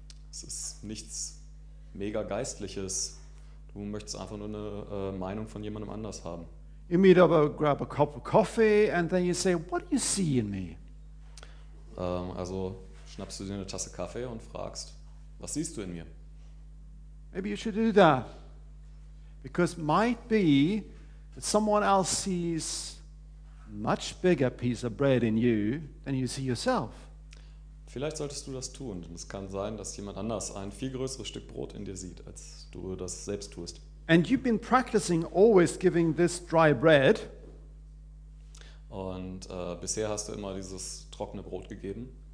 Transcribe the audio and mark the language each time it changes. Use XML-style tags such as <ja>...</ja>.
<de>Es ist nichts mega geistliches. Du möchtest einfach nur eine Meinung von jemandem anders haben.</de> <en>You meet up, grab a cup of coffee and then you say, what do you see in me?</en> <de>Also schnappst du dir eine Tasse Kaffee und fragst, was siehst du in mir?</de> <en>Maybe you should do that. Because might be that someone else sees much bigger piece of bread in you than you see yourself.</en> <de>Vielleicht solltest du das tun. Es kann sein, dass jemand anders ein viel größeres Stück Brot in dir sieht, als du das selbst tust.</de> <en>And you've been practicing always giving this dry bread.</en> <de>Und bisher hast du immer dieses trockene Brot gegeben.</de>